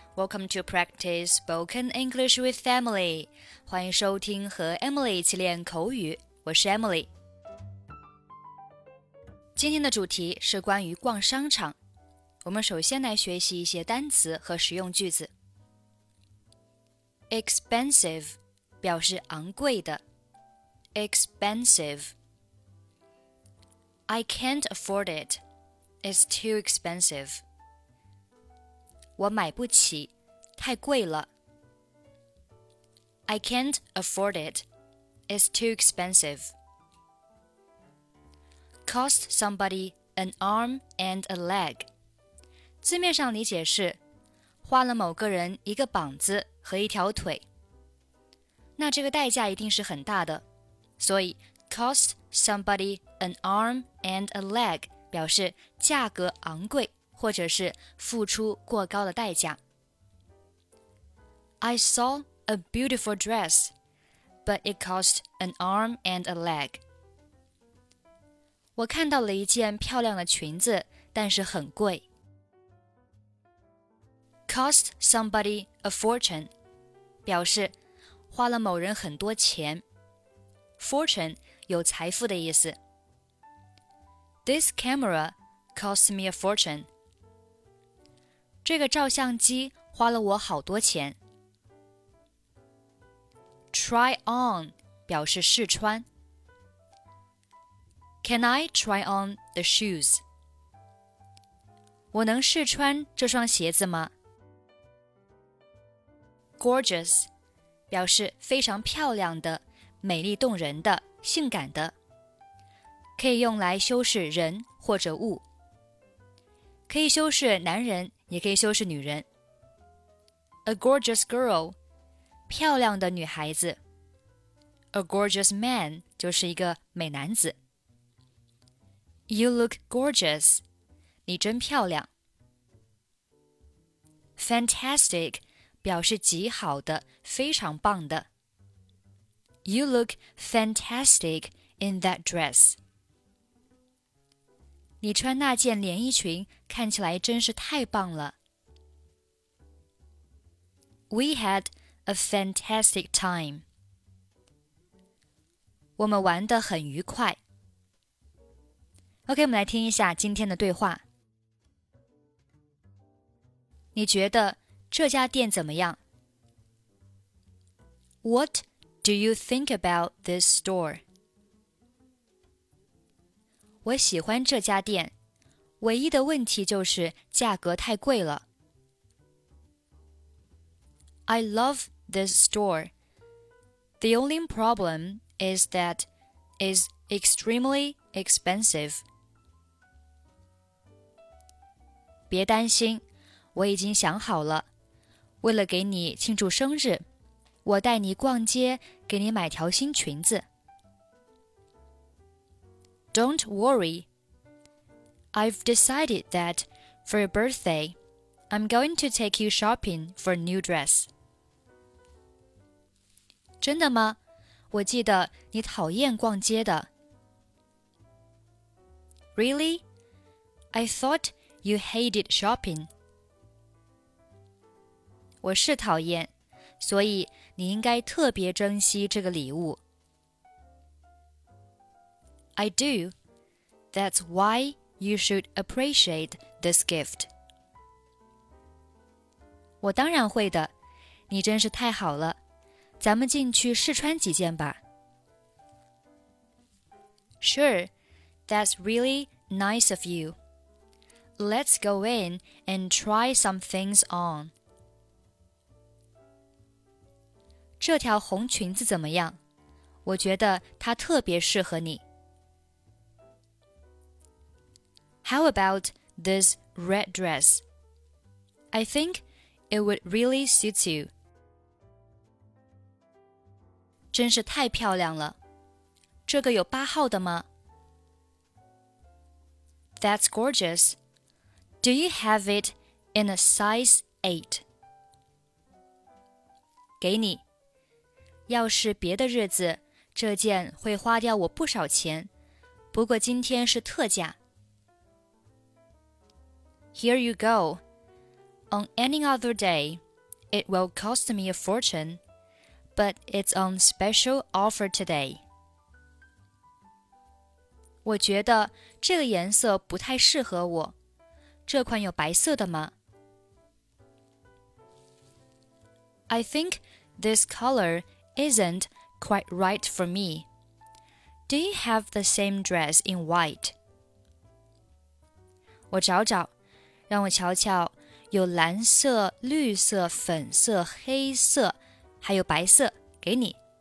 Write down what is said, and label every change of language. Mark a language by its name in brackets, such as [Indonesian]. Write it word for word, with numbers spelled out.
[English] Welcome to practice spoken English with Emily. [Chinese] 欢迎收听和 Emily 一起练口语，我是 Emily。今天的主题是关于逛商场。我们首先来学习一些单词和实用句子。 Expensive 表示昂贵的。 [English] Expensive. I can't afford it. It's too expensive. [Chinese] 我买不起，太贵了。 [English] I can't afford it. It's too expensive. Cost somebody an arm and a leg. [Chinese] 字面上理解是花了某个人一个膀子和一条腿。那这个代价一定是很大的，所以 [English] cost somebody an arm and a leg [Chinese] 表示价格昂贵。或者是付出过高的代价。 [English] I saw a beautiful dress, but it cost an arm and a leg. [Chinese] 我看到了一件漂亮的裙子，但是很贵。 [English] Cost somebody a fortune, [Chinese] 表示花了某人很多钱。 Fortune 有财富的意思。 [English] This camera cost me a fortune. [Chinese] 这个照相机花了我好多钱。 Try on 表示试穿。 [English] Can I try on the shoes? [Chinese] 我能试穿这双鞋子吗？ Gorgeous 表示非常漂亮的、美丽动人的、性感的，可以用来修饰人或者物，可以修饰男人也可以修饰女人。 [English] A gorgeous girl, [Chinese] 漂亮的女孩子。 [English] A gorgeous man, [Chinese] 就是一个美男子。 [English] You look gorgeous, [Chinese] 你真漂亮。 Fantastic, 表示极好的，非常棒的。 [English] You look fantastic in that dress. [Chinese] 你穿那件连衣裙看起来真是太棒了。 [English] We had a fantastic time. [Chinese] 我们玩得很愉快。 OK, 我们来听一下今天的对话。你觉得这家店怎么样？ [English] What do you think about this store? [Chinese] 我喜欢这家店，唯一的问题就是价格太贵了。 [English] I love this store. The only problem is that it's extremely expensive. [Chinese] 别担心，我已经想好了。为了给你庆祝生日，我带你逛街，给你买条新裙子。 [English] Don't worry. I've decided that for your birthday, I'm going to take you shopping for a new dress. [Chinese] 真的吗？我记得你讨厌逛街的。 [English] Really? I thought you hated shopping. [Chinese] 我是讨厌，所以你应该特别珍惜这个礼物。 [English] I do. That's why you should appreciate this gift. [Chinese] 我当然会的，你真是太好了。咱们进去试穿几件吧。 [English] Sure, that's really nice of you. Let's go in and try some things on. [Chinese] 这条红裙子怎么样？我觉得它特别适合你。 [English] How about this red dress? I think it would really suit you. [Chinese] 真是太漂亮了。这个有八号的吗？ [English] That's gorgeous. Do you have it in a size eight? [Chinese] 给你。要是别的日子，这件会花掉我不少钱。不过今天是特价。 [English] Here you go. On any other day, it will cost me a fortune, but it's on special offer today. [Chinese] 我觉得这个颜色不太适合我。这款有白色的吗？ [English] I think this color isn't quite right for me. Do you have the same dress in white? [Chinese] 我找找，让我瞧瞧。有蓝色、绿色、粉色、黑色，还有白色，给你。